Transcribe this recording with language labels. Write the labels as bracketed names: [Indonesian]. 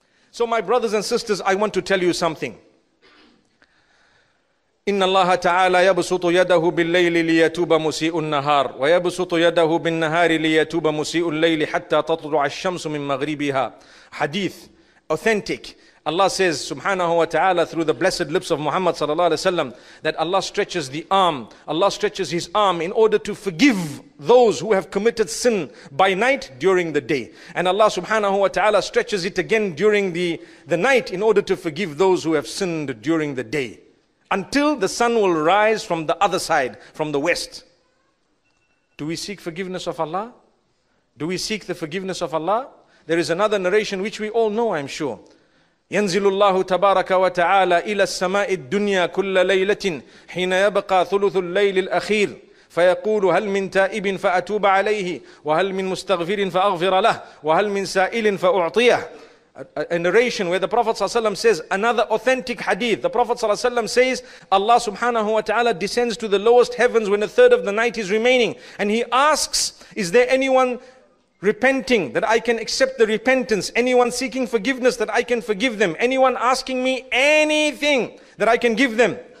[English] So my brothers and sisters, I want to tell you something. [Arabic] إن الله تعالى يبسط يده بالليل ليتوب مسيء النهار ويبسط يده بالنهار ليتوب مسيء الليل حتى تطلع الشمس من مغربها. [English] حديث authentic. Allah says subhanahu wa ta'ala through the blessed lips of Muhammad sallallahu alayhi wa sallam that Allah stretches the arm, Allah stretches his arm in order to forgive those who have committed sin by night during the day. And Allah subhanahu wa ta'ala stretches it again during the night in order to forgive those who have sinned during the day, until the sun will rise from the other side, from the west. Do we seek forgiveness of Allah? Do we seek the forgiveness of Allah? There is another narration which we all know, I'm sure. [Arabic] يَنْزِلُ اللَّهُ تَبَارَكَ وَتَعَالَى إِلَى السَّمَاءِ الدُّنْيَا كُلَّ لَيْلَةٍ حِينَ يَبْقَى ثُلُثُ اللَّيْلِ الْأَخِيرِ فيقول هل من تائب فأتوب عليه وهل من مستغفر فأغفر له وهل من سائل فأعطيه. [English] A narration where the Prophet ﷺ says, another authentic hadith, the Prophet ﷺ says, Allah subhanahu wa ta'ala descends to the lowest heavens when a third of the night is remaining, and he asks, is there anyone repenting that I can accept the repentance? Anyone seeking forgiveness that I can forgive them? Anyone asking me anything that I can give them?